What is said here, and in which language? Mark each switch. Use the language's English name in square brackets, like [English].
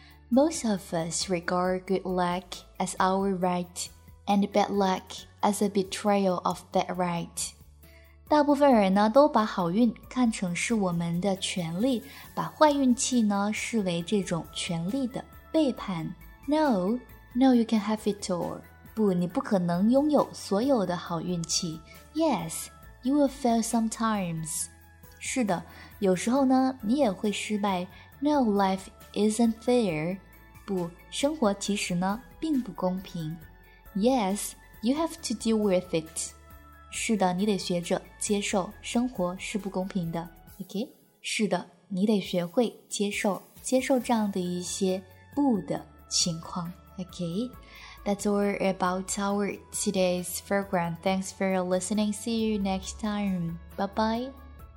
[English] Most of us regard good luck as our right, and bad luck as a betrayal of that right. [Chinese] 大部分人呢都把好运看成是我们的权利，把坏运气呢视为这种权利的背叛。 [English] No, you can have it all. [Chinese] 不，你不可能拥有所有的好运气。 [English] Yes, you will fail sometimes. [Chinese] 是的，有时候呢你也会失败。 [English] No, life isn't fair. [Chinese] 不，生活其实呢并不公平。 [English] Yes, you have to deal with it. [Chinese] 是的，你得学着接受生活是不公平的。 [English] Okay? [Chinese] 是的，你得学会接受这样的一些不的情况。 [English] Okay? That's all about our today's program. Thanks for listening. See you next time. Bye-bye.